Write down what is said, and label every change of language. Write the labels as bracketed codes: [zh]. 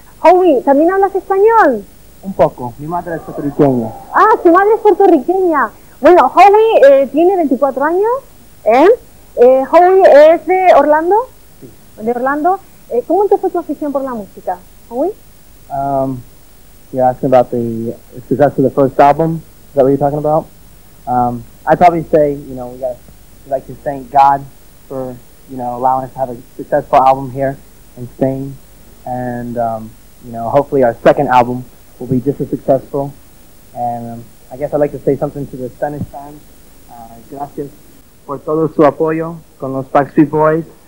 [es] Howie, ¿también hablas español? Un poco, mi madre es puertorriqueña. Ah, su madre es puertorriqueña. Bueno, Howie tiene 24 años, ¿eh? Howie es de Orlando. Sí. De Orlando. ¿Cómo empezó tu afición por la música, Howie? [en] You're asking about the success of the first album. Is that what you're talking about? I'd probably say, you know, we'd like to thank God for, you know, allowing us to have a successful album here in Spain. And, you know, hopefully our second album will be just as successful. And I guess I'd like to say something to the Spanish fans. [es] Gracias por todo su apoyo con los Backstreet Boys.